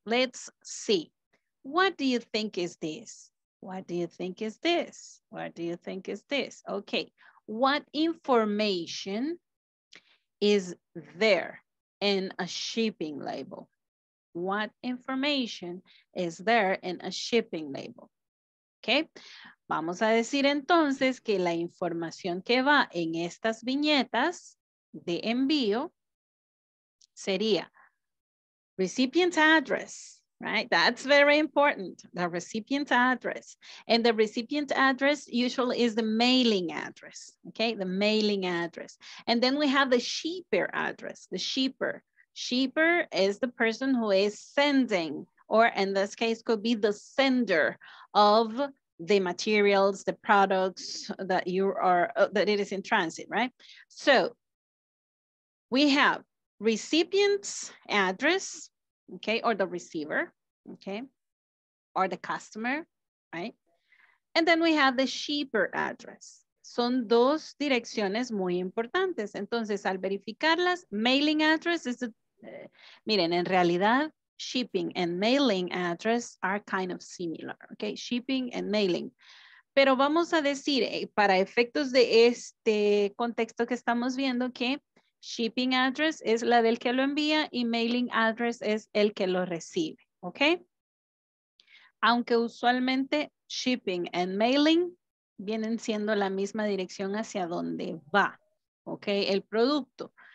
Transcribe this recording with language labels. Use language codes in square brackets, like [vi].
[en] Let's see. What do you think is this? What do you think is this? What do you think is this? Okay, what information is there in a shipping label? What information is there in a shipping label? [es] Okay, vamos a decir entonces que la información que va en estas viñetas de envío sería [en] recipient address, right? That's very important, the recipient address. And the recipient address usually is the mailing address, okay? The mailing address. And then we have the shipper address, the shipper. Shipper is the person who is sending, or in this case could be the sender of the materials, the products that you are, that it is in transit, right? So we have recipient's address, okay, or the receiver, okay, or the customer, right? And then we have the shipper address. [es] Son dos direcciones muy importantes. Entonces, al verificarlas, [en] mailing address is the, [es] miren, en realidad, [en] shipping and mailing address are kind of similar, okay? Shipping and mailing. [es] Pero vamos a decir, para efectos de este contexto que estamos viendo, que shipping address es la del que lo envía y mailing address es el que lo recibe, okay? Aunque usualmente shipping and mailing vienen siendo la misma dirección hacia donde va, okay? El producto.